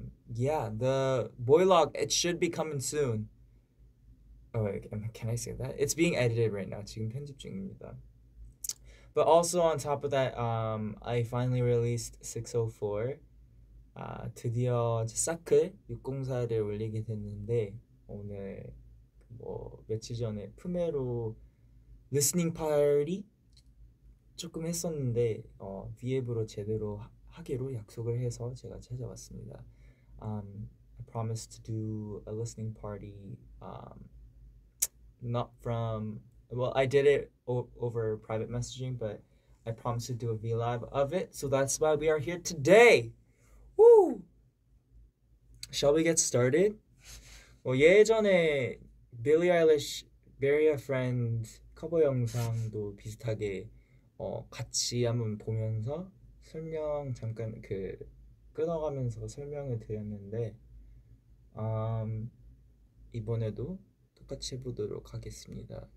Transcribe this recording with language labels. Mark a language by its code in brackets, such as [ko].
[en] Yeah, the boilog, it should be coming soon. Oh, can I say that? It's being edited right now. [ko] 지금 편집 중입니다. [en] But also on top of that, I finally released 604. [ko] 드디어 사클 604를 올리게 됐는데 오늘 뭐 며칠 전에 품에로 리스닝 파티 조금 했었는데 V앱으로 제대로 하기로 약속을 해서 제가 찾아왔습니다. [en] I promised to do a listening party. Not from, well, I did it o over private messaging, but I promised to do a VLive of it, so that's why we are here today. Woo! Shall we get started? [ko] 예전에 Billie Eilish, Bury a Friend 커버 영상도 비슷하게 같이 한번 보면서 설명 잠깐 그 끊어가면서 설명을 드렸는데, 이번에도 같이 해보도록 하겠습니다.